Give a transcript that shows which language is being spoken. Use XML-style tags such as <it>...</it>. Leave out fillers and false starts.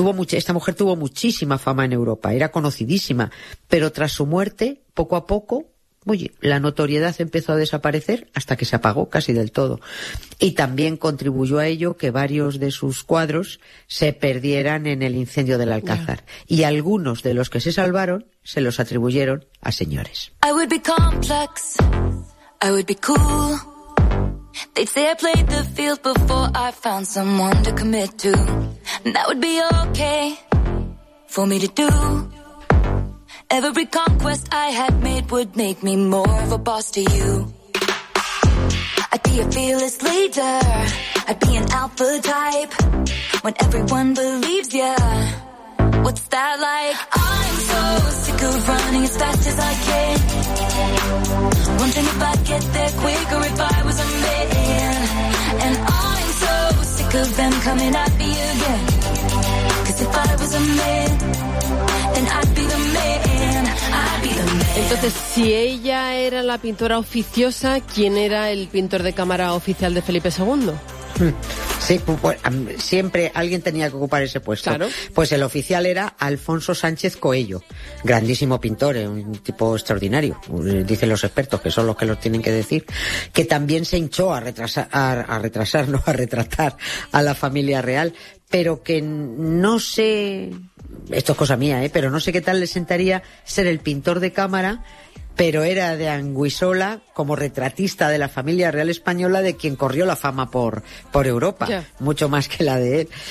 <es>Esta mujer tuvo muchísima fama en Europa, era conocidísima, pero tras su muerte, poco a poco, oye, la notoriedad empezó a desaparecer hasta que se apagó casi del todo. Y también contribuyó a ello que varios de sus cuadros se perdieran en el incendio del Alcázar. Y algunos de los que se salvaron se los atribuyeron a señores.</es> <en>I would be complex, I would be cool. They'd say I played the field before I found someone to commit to. And that would be okay for me to do. Every conquest I had made would make me more of a boss to you. I'd be a fearless leader, I'd be an alpha type. When everyone believes ya, what's that like? I'm so sick of running as fast as I can, wondering if I'd get there quick or if I was a man. And I'm so sick of them coming at me again, 'cause if I was a man, then I'd be the man.</en> <es>Entonces, si ella era la pintora oficiosa, ¿quién era el pintor de cámara oficial de Felipe II? Sí, pues, siempre alguien tenía que ocupar ese puesto. Claro. Pues el oficial era Alfonso Sánchez Coello, grandísimo pintor, un tipo extraordinario, dicen los expertos, que son los que los tienen que decir, que también se hinchó a retratar a la familia real, pero que no sé, esto es cosa mía, pero no sé qué tal le sentaría ser el pintor de cámara, pero era de Anguissola como retratista de la familia real española, de quien corrió la fama por Europa, mucho más que la de él.</es>